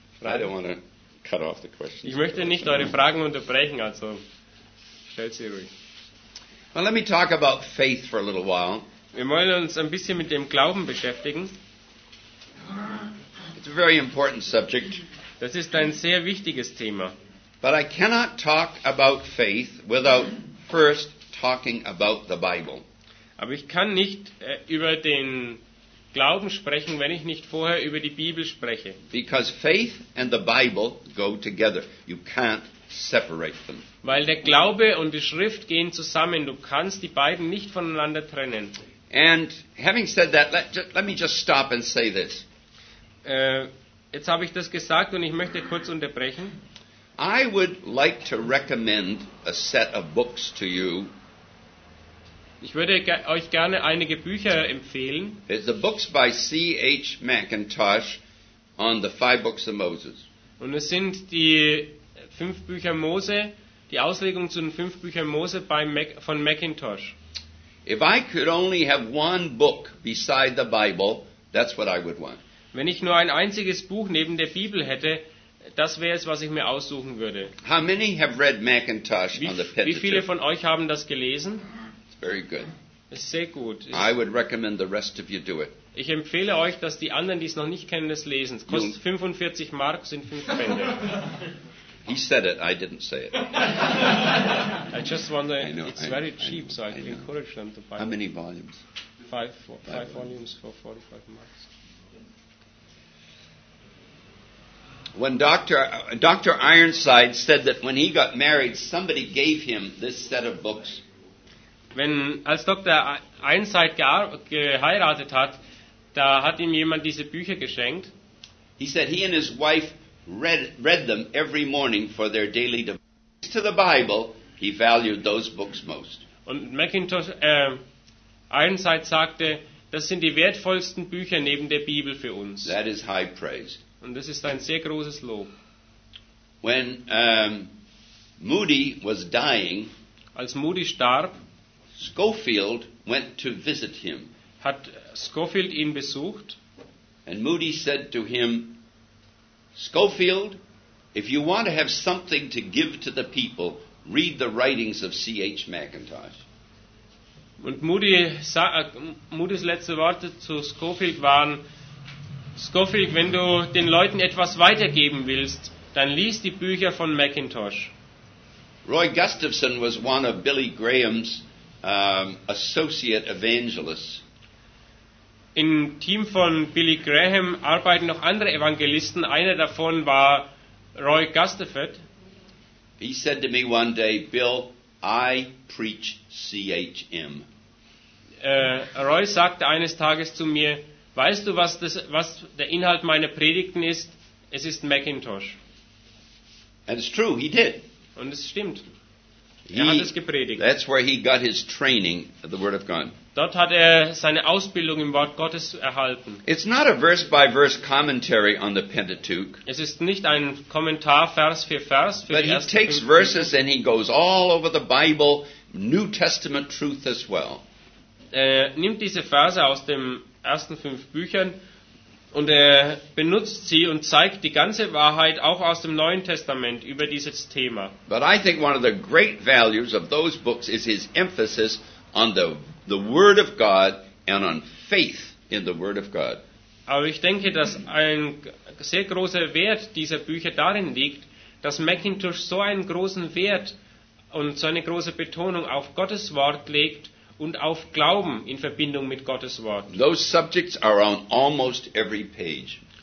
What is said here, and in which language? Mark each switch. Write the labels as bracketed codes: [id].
[en] I don't want to cut off the questions. [de] Ich möchte nicht eure Fragen unterbrechen, also stellt sie ruhig. [en] Well, let me talk about faith for a little while. [de] Wir wollen uns ein bisschen mit dem Glauben beschäftigen. [en] It's a very important subject. [de] Das ist ein sehr wichtiges Thema. [en] But I cannot talk about faith without first talking about the Bible. [de] Aber ich kann nicht über den Glauben sprechen, wenn ich nicht vorher über die Bibel spreche. [en] Because faith and the Bible go together. You can't separate them. [de] Weil der Glaube und die Schrift gehen zusammen. Du kannst die beiden nicht voneinander trennen. [en] And having said that, let me just stop and say this. [de] Jetzt habe ich das gesagt und ich möchte kurz unterbrechen. [en] I would like to recommend a set of books to you. [de] Ich würde euch gerne einige Bücher empfehlen. [en] It's the books by C.H. McIntosh on the five books of Moses. [de] Und es sind die fünf Bücher Mose, die Auslegung zu den fünf Büchern Mose von McIntosh. [en] If I could only have one book beside the Bible, that's what I would want. [de] Wenn ich nur ein einziges Buch neben der Bibel hätte, das wäre es, was ich mir aussuchen würde. [en] How many have read McIntosh on the Pentateuch? [de] Wie viele von euch haben das gelesen? [en] It's very good. [de] Es ist sehr gut. [en] I would recommend the rest of you do it. [de] Ich empfehle euch, dass die anderen, die es noch nicht kennen, es lesen. Es kostet 45 Mark, sind 5 Bände. [en] He said it, I didn't say it. I just wonder, I know, it's very cheap, I know, so I encourage them to buy. How many volumes? Five volumes for 45 Mark. When Dr. Ironside said that when he got married, somebody gave him this set of books. When, [de] als Dr. Ironside geheiratet hat, da hat ihm jemand diese Bücher geschenkt. [en] He said he and his wife read them every morning for their daily devotions to the Bible. He valued those books most. [de] Und McIntosh, Ironside sagte, das sind die wertvollsten Bücher neben der Bibel für uns. [en] That is high praise. [de] Und das ist ein sehr großes Lob. [en] When Moody was dying, [de] als Moody starb, [en] Scofield went to visit him. [de] Hat Scofield ihn besucht? [en] And Moody said to him, Scofield, if you want to have something to give to the people, read the writings of C.H. McIntosh. [de] Und Moody's letzte Worte zu Scofield waren: Scofield, wenn du den Leuten etwas weitergeben willst, dann lies die Bücher von McIntosh. [en] Roy Gustafson was one of Billy Graham's associate evangelists. [de] Im Team von Billy Graham arbeiten noch andere Evangelisten. Einer davon war Roy Gustafson. [en] He said to me one day, Bill, I preach CHM. [de] Roy sagte eines Tages zu mir, weißt du, was der Inhalt meiner Predigten ist? Es ist McIntosh. [en] And it's true, he did. [de] Und es stimmt. Er hat es gepredigt. [en] That's where he got his training, the Word of God. [de] Dort hat er seine Ausbildung im Wort Gottes erhalten. [en] It's not a verse-by-verse commentary on the Pentateuch. [de] Es ist nicht ein Kommentar Vers für Vers. [en] But he takes verses and he goes all over the Bible, New Testament truth as well. [de] Er nimmt diese Verse aus dem ersten fünf Büchern und er benutzt sie und zeigt die ganze Wahrheit auch aus dem Neuen Testament über dieses Thema. [en] But I think one of the great values of those books is his emphasis on the Word of God and on faith in the Word of God. [de] Aber ich denke, dass ein sehr großer Wert dieser Bücher darin liegt, dass McIntosh so einen großen Wert und so eine große Betonung auf Gottes Wort legt und auf Glauben in Verbindung mit Gottes Wort. [en] Those subjects are on almost every page.